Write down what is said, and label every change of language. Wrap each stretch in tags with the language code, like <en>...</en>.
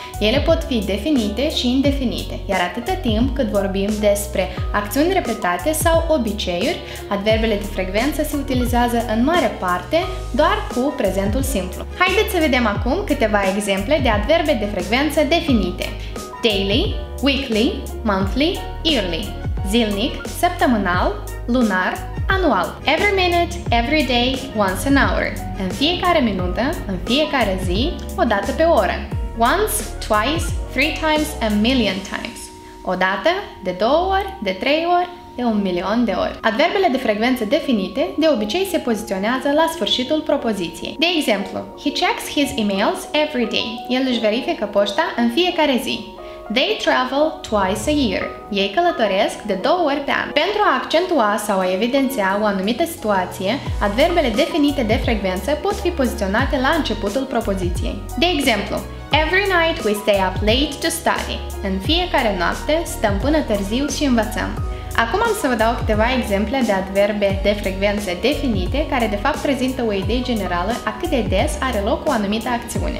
<ro>Ele pot fi definite și indefinite, iar atâta timp cât vorbim despre acțiuni repetate sau obiceiuri, adverbele de frecvență se utilizează în mare parte doar cu prezentul simplu. Haideți să vedem acum câteva exemple de adverbe de frecvență definite.</ro> <en>Daily, weekly, monthly, yearly.</en> <ro>Zilnic, săptămânal, lunar, anual.</ro> <en>Every minute, every day, once an hour.</en> <ro>În fiecare minută, în fiecare zi, o dată pe oră.</ro> <en>Once, twice, three times, a million times.</en> <ro>Odată, de două ori, de trei ori, de un milion de ori. Adverbele de frecvență definite de obicei se poziționează la sfârșitul propoziției. De exemplu,</ro> <en>he checks his emails every day.</en> <ro>El își verifică poșta în fiecare zi.</ro> <en>They travel twice a year.</en> <ro>Ei călătoresc de două ori pe an. Pentru a accentua sau a evidenția o anumită situație, adverbele definite de frecvență pot fi poziționate la începutul propoziției. De exemplu,</ro> <en>every night we stay up late to study.</en> <ro>În fiecare noapte stăm până târziu și învățăm. Acum am să vă dau câteva exemple de adverbe de frecvență definite care de fapt prezintă o idee generală a cât de des are loc o anumită acțiune.</ro>